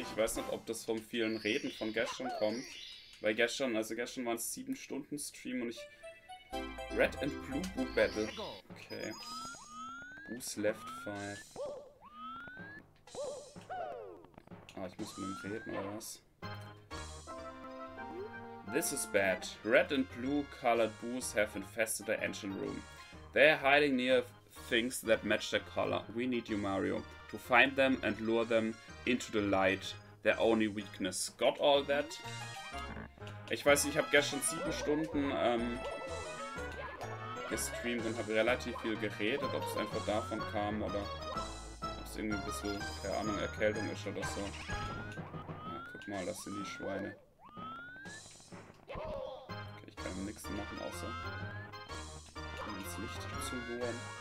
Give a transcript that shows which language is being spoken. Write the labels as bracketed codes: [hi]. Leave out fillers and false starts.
[de] Ich weiß nicht, ob das vom vielen Reden von gestern kommt. Weil gestern waren es 7 Stunden Stream und ich... [en] Red and Blue Boo Battle. Okay. Boo's Left 5. [de] Ah, ich muss mit dem Reden oder was? [en] This is bad. Red and blue colored boos have infested the engine room. They are hiding near things that match their color. We need you, Mario, to find them and lure them into the light. Their only weakness. Got all that? [de] Ich weiß nicht, ich habe gestern 7 Stunden gestreamt und habe relativ viel geredet, ob es einfach davon kam oder ob es irgendwie ein bisschen, keine Ahnung, Erkältung ist oder so. Ja, guck mal, das sind die Schweine. Okay, ich kann nichts machen, außer ins Licht zu bohren.